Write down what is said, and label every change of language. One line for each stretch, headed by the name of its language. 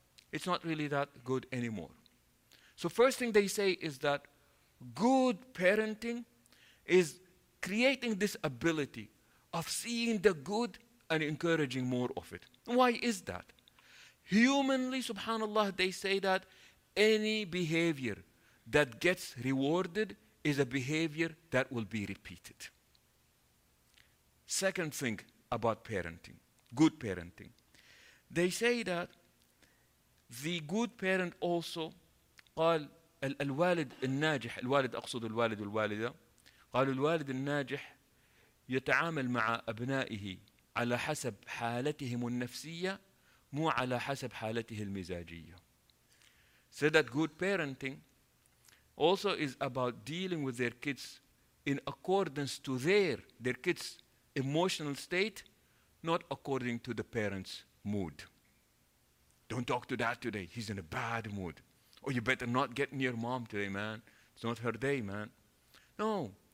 English: It's not really that good anymore. So first thing they say is that good parenting is creating this ability of seeing the good and encouraging more of it. Why is that? Humanly, subhanAllah, they say that any behavior that gets rewarded is a behavior that will be repeated. Second thing about parenting, good parenting. They say that the good parent also,
Arabic: قال الوالد الناجح, الوالد أقصد الوالد والوالدة, قال الوالد الناجح يتعامل مع أبنائه على حسب حالتهم النفسية مو على حسب حالته المزاجية.
English: So that good parenting also is about dealing with their kids in accordance to their kids' emotional state, not according to the parents' mood. Don't talk to dad today. He's in a bad mood. Oh, you better not get near mom today, man. It's not her day, man. No.